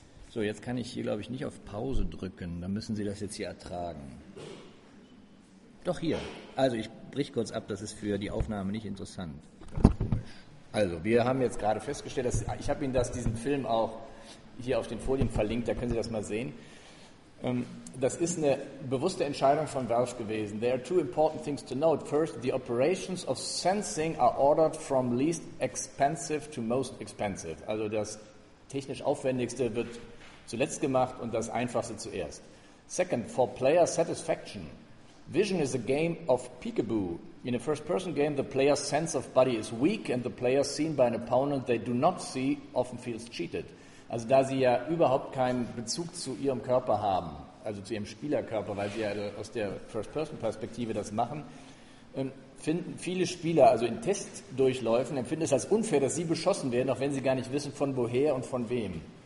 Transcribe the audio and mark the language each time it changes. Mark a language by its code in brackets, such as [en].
[de] So, jetzt kann ich hier, glaube ich, nicht auf Pause drücken, dann müssen Sie das jetzt hier ertragen. Doch hier. Also ich brich kurz ab, das ist für die Aufnahme nicht interessant. Ganz komisch. Also, wir haben jetzt gerade festgestellt, dass ich habe Ihnen diesen Film auch hier auf den Folien verlinkt, da können Sie das mal sehen. Das ist eine bewusste Entscheidung von Valve gewesen. [en] There are 2 important things to note. First, the operations of sensing are ordered from least expensive to most expensive. [de] Also das technisch Aufwendigste wird zuletzt gemacht und das Einfachste zuerst. [en] Second, for player satisfaction. Vision is a game of peekaboo. In a first-person game, the player's sense of body is weak and the player seen by an opponent they do not see often feels cheated. [de] Also da sie ja überhaupt keinen Bezug zu ihrem Körper haben, also zu ihrem Spielerkörper, weil sie ja aus der First-Person-Perspektive das machen, finden viele Spieler, also in Testdurchläufen, empfinden es als unfair, dass sie beschossen werden, auch wenn sie gar nicht wissen, von woher und von wem.